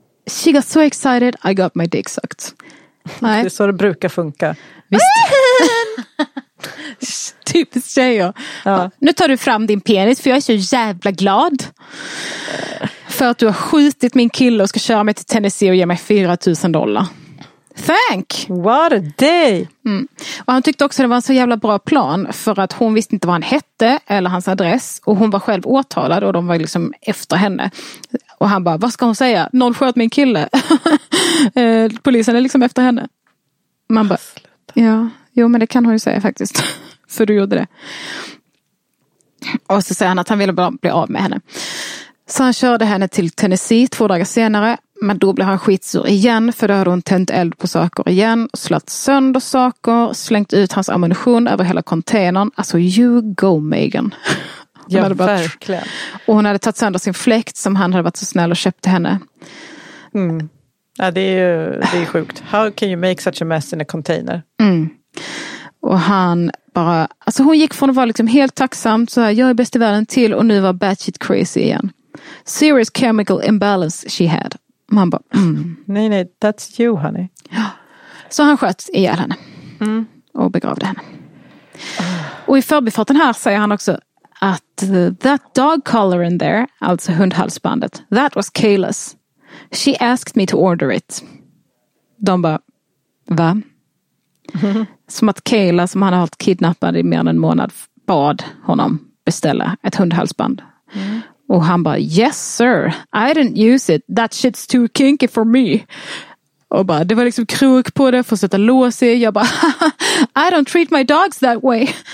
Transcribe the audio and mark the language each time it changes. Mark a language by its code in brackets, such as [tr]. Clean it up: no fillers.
[en] She got so excited, I got my dick sucked. [sv] Nej. Det är så det brukar funka. Typiskt tjejer. Ja. Nu tar du fram din penis för jag är så jävla glad. För att du har skjutit min kille och ska köra mig till Tennessee och ge mig $4,000. [en] Thank! What a day! [sv] Mm. Och han tyckte också att det var en så jävla bra plan för att hon visste inte vad han hette eller hans adress. Och hon var själv åtalad och de var liksom efter henne. Och han bara, vad ska hon säga? Någon sköt min kille. Polisen är liksom efter henne. Man bara... Ja, jo men det kan hon ju säga faktiskt. För du gjorde det. Och så säger han att han ville bara bli av med henne. Så han körde henne till Tennessee 2 dagar senare. Men då blev han skitsur igen. För då hade hon tänt eld på saker igen. Och slått sönder saker. Slängt ut hans ammunition över hela containern. [en] Alltså [sv] you go Megan. Ja, hon hade bara... verkligen. Och hon hade tagit sönder sin fläkt som han hade varit så snäll och köpt till henne. Mm. Ja, det är ju det är sjukt. [en] How can you make such a mess in a container? [sv] Mm. Och han bara... Alltså hon gick från att vara liksom helt tacksam, så här, jag är bäst i världen till, och nu var batshit crazy igen. [en] Serious chemical imbalance she had. [sv] Man bara... Mm. Nej, nej, [en] that's you, honey. [sv] Så han sköt ihjäl henne. Mm. Och begravde henne. Och i förbifarten här säger han också att [en] that dog collar in there, [sv] alltså hundhalsbandet, [en] that was Kayla's. She asked me to order it. [sv] De bara, va? [en] Mm-hmm. [sv] Som att Kayla, som han har haft kidnappad i mer än en månad, bad honom beställa ett hundhalsband. Mm. Och han bara, [en] yes sir, I didn't use it. That shit's too kinky for me. [sv] Och bara, det var liksom krok på det för att sätta lås i. Jag bara, [en] I don't treat my dogs that way.